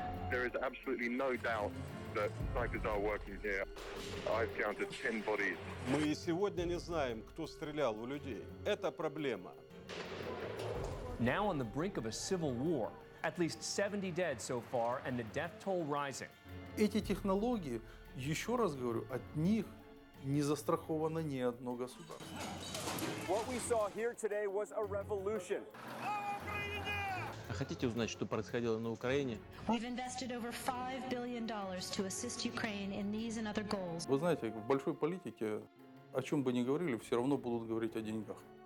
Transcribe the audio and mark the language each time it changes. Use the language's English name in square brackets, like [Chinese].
[English] There is absolutely no doubt that snipers are working here. I've counted 10 bodies. [Russian] Мы и сегодня не знаем, кто стрелял в людей. Это проблема. [English] Now on the brink of a civil war, at least 70 dead so far, and the death toll rising. [Russian] Эти технологии, еще раз говорю, от них не застраховано ни одно государство. [English] What we saw here today was a revolution. [Russian] Хотите узнать, что происходило на Украине? [English] We've invested over $5 billion to assist Ukraine in these and other goals. [Russian] Вы знаете, в большой политике, о чем бы ни говорили, все равно будут говорить о деньгах.